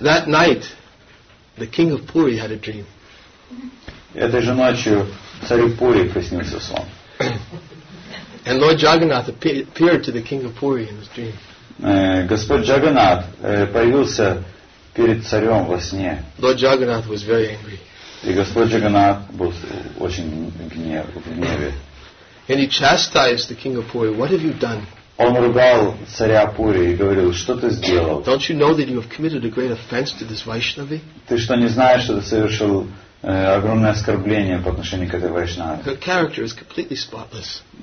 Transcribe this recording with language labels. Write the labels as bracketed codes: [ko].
[en] That night, the king of Puri had a dream. [ru] Этой же ночью царю Пури приснился сон. [en] And Lord Jagannath appeared to the king of Puri in his dream. [ru] Господь Джаганнат появился перед царем во сне. [en] Lord Jagannath was very angry. [ru] И Господь Джаганнат был очень в гневе. [en] And he chastised the king of Puri. What have you done? [ru] Он ругал царя Пури и говорил, что ты сделал? [en] Don't you know that you have committed a great offense to this Vaishnavi? [ru] Ты что, не знаешь, что ты совершил огромное оскорбление по отношению к этой Вайшнаве? [en] Her character is completely spotless.